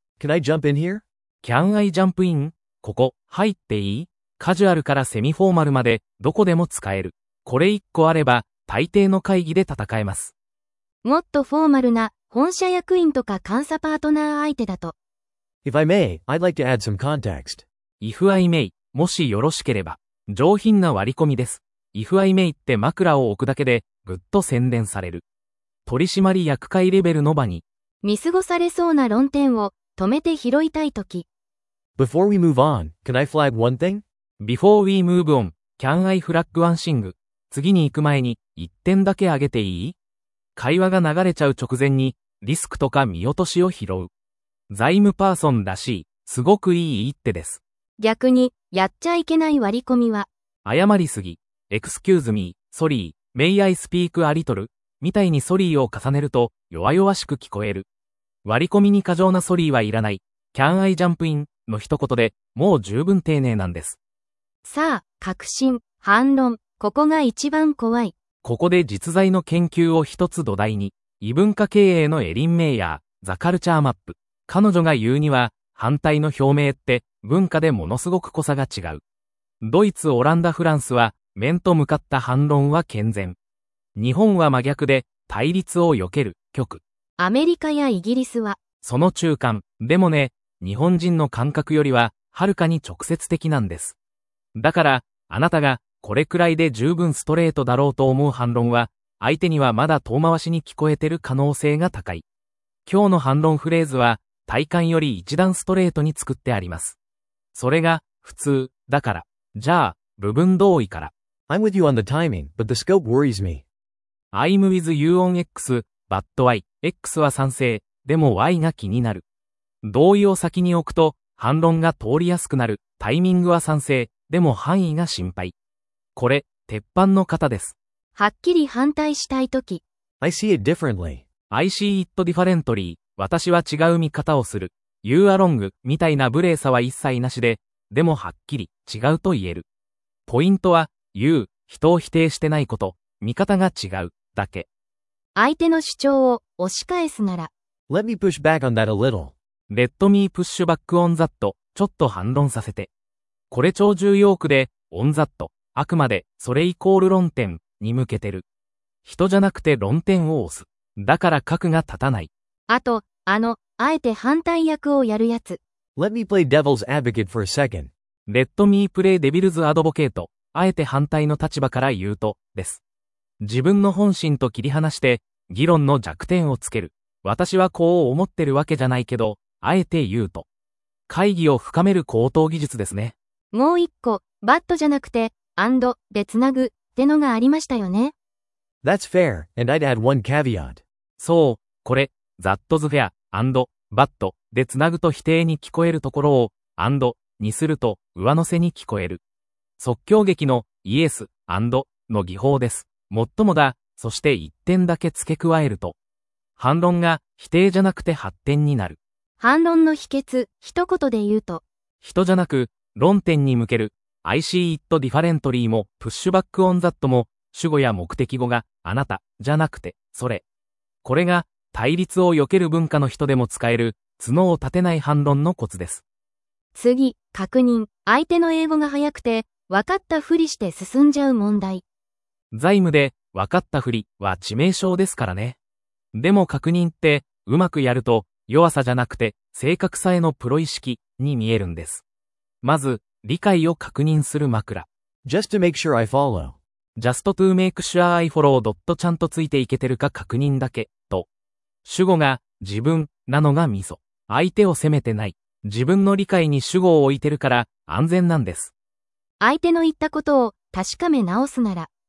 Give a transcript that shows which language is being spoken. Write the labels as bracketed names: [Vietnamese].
[English] Can I jump in here? Can I jump in? [Japanese] ここ入っていい？カジュアルからセミフォーマルまでどこでも使える。これ一個あれば大抵の会議で戦えます。もっとフォーマルな本社役員とか監査パートナー相手だと。 [English] If I may, I'd like to add some context. If I may, [Japanese] もしよろしければ、上品な割り込みです。 [English] If I may [Japanese] って枕を置くだけで、ぐっと宣伝される。取締役会レベルの場に、見過ごされそうな論点を止めて拾いたいとき。 [English] Before we move on, can I flag one thing? Before we move on, can I flag one thing? [Japanese] 次に行く前に、一点だけ挙げていい？会話が流れちゃう直前に、リスクとか見落としを拾う。財務パーソンらしい、すごくいい一手です。逆に、やっちゃいけない割り込みは、誤りすぎ、 [English] excuse me, sorry, may I speak a little, [Japanese] みたいにソリーを重ねると弱々しく聞こえる。割り込みに過剰なソリーはいらない。 [English] Can I jump in [Japanese] の一言でもう十分丁寧なんです。さあ、確信、反論、ここが一番怖い。ここで実在の研究を一つ土台に、異文化経営のエリン・メイヤー、ザ・カルチャーマップ。彼女が言うには、反対の表明って文化でものすごく濃さが違う。ドイツ、オランダ、フランスは面と向かった反論は健全。日本は真逆で対立を避ける極。アメリカやイギリスはその中間。でもね、日本人の感覚よりははるかに直接的なんです。だからあなたがこれくらいで十分ストレートだろうと思う反論は、相手にはまだ遠回しに聞こえてる可能性が高い。今日の反論フレーズは体感より一段ストレートに作ってあります。それが普通だから。じゃあ、部分同意から。 [English] I'm with you on the timing, but the scope worries me. I'm with you on X, but Y. [Japanese] X は賛成、でも Y が気になる。同意を先に置くと、反論が通りやすくなる。タイミングは賛成、でも範囲が心配。これ、鉄板の型です。はっきり反対したいとき。 [English] I see it differently. I see it differently. [Japanese] 私は違う見方をする。 [English] You are wrong, [Japanese] みたいな無礼さは一切なしで、でもはっきり違うと言える。ポイントは、言う、人を否定してないこと、見方が違う、だけ。相手の主張を押し返すなら、 [English] Let me push back on that a little. Let me push back on that, [Japanese] ちょっと反論させて。これ超重要句で、 [English] on that, [Japanese] あくまで、それイコール論点に向けてる。人じゃなくて論点を押す。だから格が立たない。あと、あえて反対役をやるやつ。 [English] Let me play devil's advocate for a second. Let me play devil's advocate. [Japanese] あえて反対の立場から言うと、です。自分の本心と切り離して、議論の弱点をつける。私はこう思ってるわけじゃないけど、あえて言うと。会議を深める高等技術ですね。もう一個、but じゃなくて、and でつなぐってのがありましたよね。 [English] That's fair, and I'd add one caveat. [Japanese] そう、これ、 [English] that's fair, and, but. [Japanese] で、つなぐと否定に聞こえるところを、アンドにすると、上乗せに聞こえる。即興劇の、イエス、アンドの技法です。もっともだ、そして一点だけ付け加えると。反論が、否定じゃなくて発展になる。反論の秘訣、一言で言うと。人じゃなく、論点に向ける。 [English] I see it differently [Japanese] も、 [English] push back on that [Japanese] も、主語や目的語が、あなた、じゃなくて、それ。これが、対立を避ける文化の人でも使える、角を立てない反論のコツです。次、確認。相手の英語が早くて、分かったふりして進んじゃう問題。財務で、分かったふりは致命傷ですからね。でも確認って、うまくやると、弱さじゃなくて、正確さへのプロ意識に見えるんです。まず、理解を確認する枕。 [English] Just to make sure I follow. Just to make sure I follow. [Japanese] ちゃんとついていけてるか確認だけ、と。主語が、自分なのがミソ。相手を責めてない。自分の理解に主語を置いてるから安全なんです。相手の言ったことを確かめ直すなら。